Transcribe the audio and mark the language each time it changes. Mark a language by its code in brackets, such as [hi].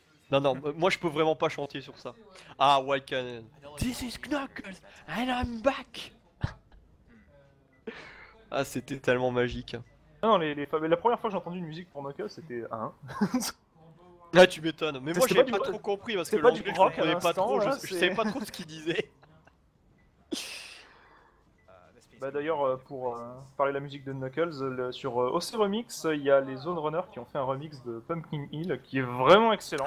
[fr] Non, non, moi je peux vraiment pas chanter sur ça. Ah, White Cannon. [en] This is Knuckles and I'm back. [fr] Ah, c'était tellement magique. Non, la première fois que j'ai entendu une musique pour Knuckles c'était un. Là, tu m'étonnes, mais moi j'ai pas trop compris parce que l'anglais je comprenais pas trop, je savais pas trop ce qu'il disait. Bah, d'ailleurs, pour parler de la musique de Knuckles, sur OC Remix, il y a les Zone Runners qui ont fait un remix de Pumpkin Hill qui est vraiment excellent.